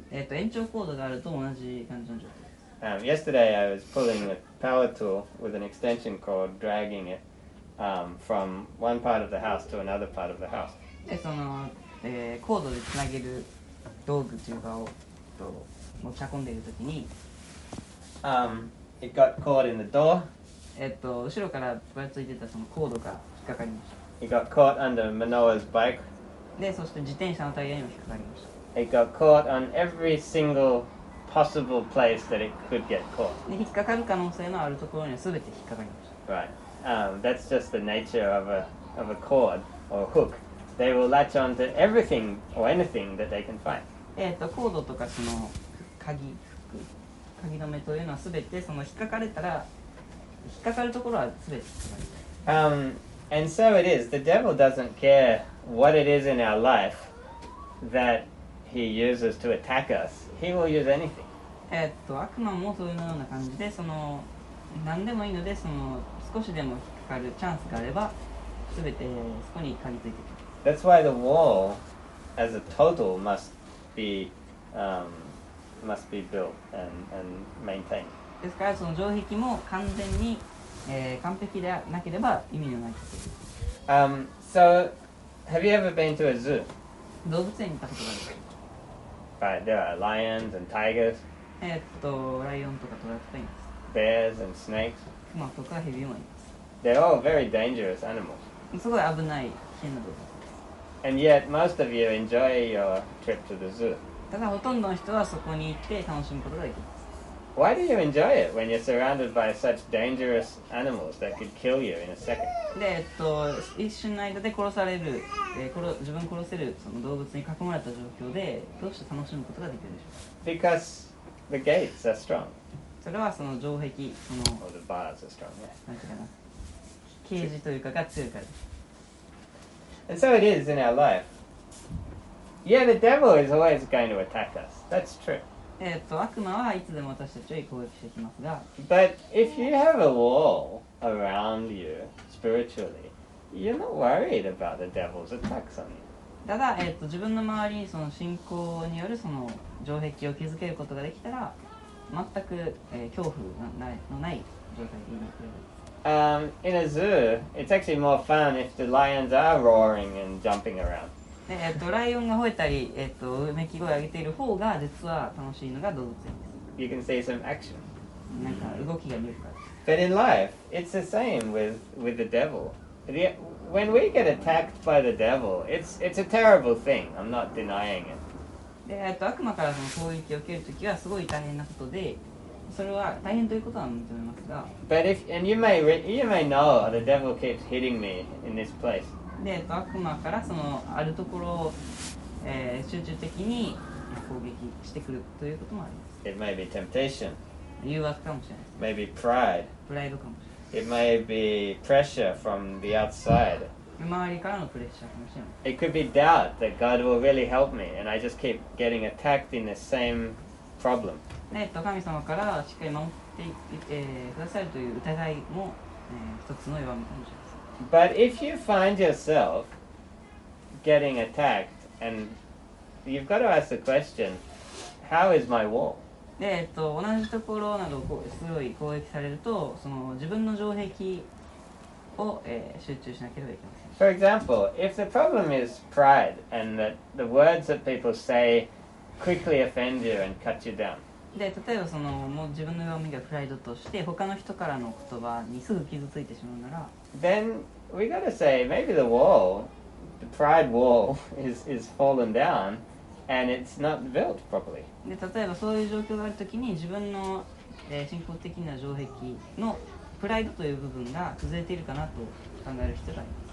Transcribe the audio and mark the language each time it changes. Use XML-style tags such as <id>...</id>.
<ja>延長コードがあると同じ感じの状態です。</ja> <en>Yesterday I was pulling a power tool with an extension cord, dragging it from one part of the house to another part of the house.</en> <ja>で、その、コードでつなげる道具というかを持ち運んでいるときに、</ja> <en>it got caught in the door.</en> <ja>後ろからぶらついてたそのコードが引っかかりました。</ja> <en>It got caught under Manoa's bike.</en> <ja>で、そして自転車のタイヤにも引っかかりました。</ja> <en>It got caught on every single possible place that it could get caught.</en> <ja>で、引っかかる可能性のあるところには全て引っかかりました。</ja> <en>Right. That's just the nature of a cord or a hook. They will latch onto everything or anything that they can find.</en> <ja>コードとかその鍵止めというのは全てその引っかかれたら、引っかかるところは全て引っかかります。</ja> <en>And so it is. The devil doesn't care what it is in our life that he uses to attack us. He will use anything.</en> <ja>悪魔もそういうような感じで、その何でもいいので、その少しでも引っかかるチャンスがあれば、すべてそこに嗅ぎついてくる。</ja> <en>That's why the wall, as a total, must be built and maintained.</en> <ja>ですからその城壁も完全に。完璧でなければ意味のないです。</ja> <en>So, have you ever been to a zoo?</en> <ja>動物園に行ったことがあるか</ja> <en>Right, there are lions and tigers.</en> <ja>ライオンとかトラとかいます。</ja> <en>Bears and snakes.</en> <ja>クマとかヘビもいます。</ja> <en>They're all very dangerous animals.</en> <ja>すごい危ない変な動物。</ja> <en>And yet, most of you enjoy your trip to the zoo.</en> <ja>だからほとんどの人はそこに行って楽しむことができます。</ja> <en>Why do you enjoy it when you're surrounded by such dangerous animals that could kill you in a second?</en> <ja>で、一瞬の間で殺される、自分殺せるその動物に囲まれた状況でどうして楽しむことができるでしょうか?</ja> <en>Because the gates are strong.</en> <ja>それはその城壁、その、</ja> <en>Or the bars are strong, yeah.</en> <ja>なんていうかな、ケージというかが強いからです。</ja> <en>And so it is in our life. Yeah, the devil is always going to attack us. That's true.</en> <ja>悪魔はいつでも私たちを攻撃してきますが。</ja> <en>But if you have a wall around you spiritually, you're not worried about the devil's attacks on you.</en> <ja>ただ、自分の周りにその信仰によるその城壁を築けることができたら、全く、恐怖のない状態になっている。</ja> <en>In a zoo, it's actually more fun if the lions are roaring and jumping around.</en> <ja>ライオンが吠えたり、うめき声を上げている方が実は楽しいのが動物園です。</ja> <en>You can see some action.</en> <ja>なんか動きが見えるから。</ja> <en>But in life, it's the same with the devil. When we get attacked by the devil, it's a terrible thing. I'm not denying it.</en> <ja>悪魔からの攻撃を受けるときはすごい大変なことで、それは大変ということは認めますが。</ja> <en>But if, and you may know the devil keeps hitting me in this place.</en> <ja>で、悪魔からそのあるところを、集中的に攻撃してくるということもあります。</ja> <en>It may be temptation.</en> <ja>誘惑かもしれない。</ja> <en>Maybe pride.</en> <ja>プライドかもしれない。</ja> <en>It may be pressure from the outside.</en> <ja>周りからのプレッシャーかもしれない。</ja> <en>It could be doubt that God will really help me and I just keep getting attacked in the same problem.</en> <ja>神様からしっかり守って、くださるという疑いも、一つの弱みかもしれません。</ja> <en>But if you find yourself getting attacked, and you've got to ask the question, how is my wall?</en> <ja>で、同じところなどをすごい攻撃されると、その自分の城壁を、集中しなければいけません。</ja> <en>For example, if the problem is pride, and that the words that people say quickly offend you and cut you down,</en> <ja>で例えばそのもう自分の弱みがプライドとして他の人からの言葉にすぐ傷ついてしまうなら</ja> <en>Then we gotta say maybe the wall, the pride wall is fallen down and it's not built properly.</en> <ja>で例えばそういう状況があるときに自分の、信仰的な城壁のプライドという部分が崩れているかなと考える人がいます。</ja>